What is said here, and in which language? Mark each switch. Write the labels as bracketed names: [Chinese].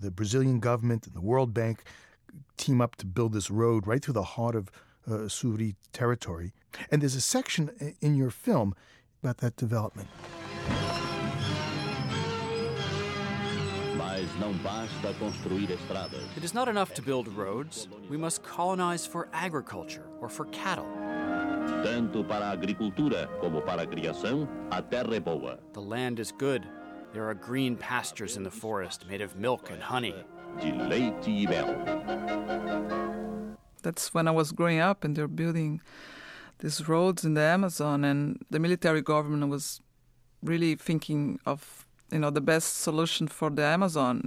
[English] The Brazilian government and the World Bank team up to build this road right through the heart of Suri territory. And there's a section in your film about that development. It is not enough to build roads. We must colonize for agriculture or for cattle. [Portuguese] Tanto para agricultura como para criação, a terra é boa. [English] The land is good. There are green pastures in the forest made of milk and honey. [Portuguese] De leite e mel. [English] That's when I was growing up, and they're building these roads in the Amazon, and the military government was really thinking of, you know, the best solution for the Amazon.